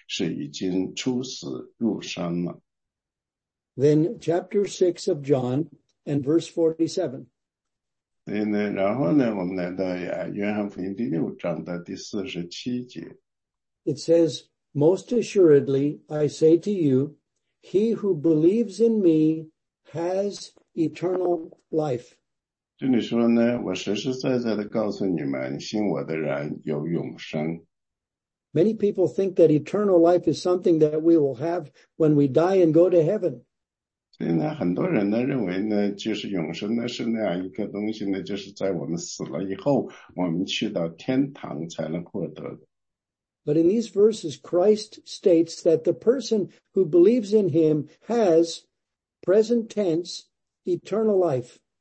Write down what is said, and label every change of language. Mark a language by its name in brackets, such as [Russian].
[Chinese] 对你讲呢,我实实在在地告诉你们,那听我话,又信差我来者的就有永生,不至于定罪,是已经出死入生了。 [English] Then chapter 6 of John and verse 47. [Chinese] 然后呢,我们来到约翰福音第六章的第47节。 [English] It says, most assuredly, I say to you, he who believes in me has eternal life. [Chinese] 这里说呢,我实实在在地告诉你们,信我的人有永生。 [English] Many people think that eternal life is something that we will have when we die and go to heaven. [Chinese] 所以呢,很多人呢,认为呢,就是永生呢,是那样一个东西呢,就是在我们死了以后,我们去到天堂才能获得的。 [English] But in these verses, Christ states that the person who believes in him has, present tense, eternal life.